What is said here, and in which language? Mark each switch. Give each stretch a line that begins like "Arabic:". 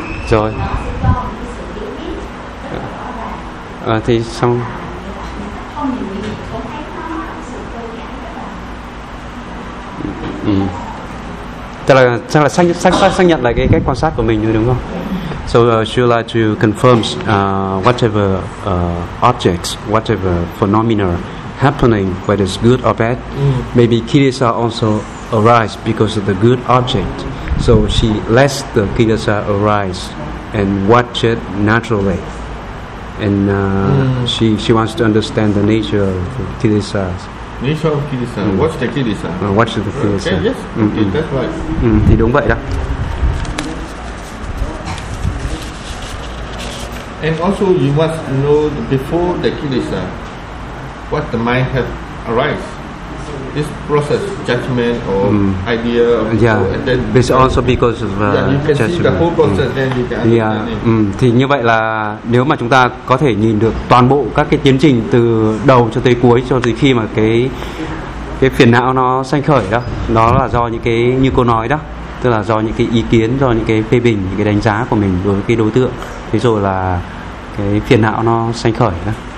Vietnamese: Rồi. Thì xong. Chắc là xác nhận lại cái cách quan sát của mình rồi đúng không?
English: So she would like to confirm whatever objects, whatever phenomena happening, whether it's good or bad, maybe kilesa also arise because of the good object. So she lets the kilesa arise and watch it naturally. And she wants to understand the nature of the kilesa. Nature of kilesa. Watch the kilesa. Watch the kilesa. Okay, yes. That's right.
Vietnamese: Thì đúng vậy đó.
English: And also, you must know before the kilesa, what the mind has arise. This process, judgment or idea. Yeah. It's also because of judgment. Yeah, you can see the whole process, then you can understand. Yeah.
Vietnamese: Thì như vậy là nếu mà chúng ta có thể nhìn được toàn bộ các cái tiến trình từ đầu cho tới cuối, cho tới khi mà cái cái phiền não nó sanh khởi đó, nó là do những cái như cô nói đó, tức là do những cái ý kiến, do những cái phê bình, những cái đánh giá của mình đối với cái đối tượng, thế rồi là cái phiền não nó sanh khởi đó.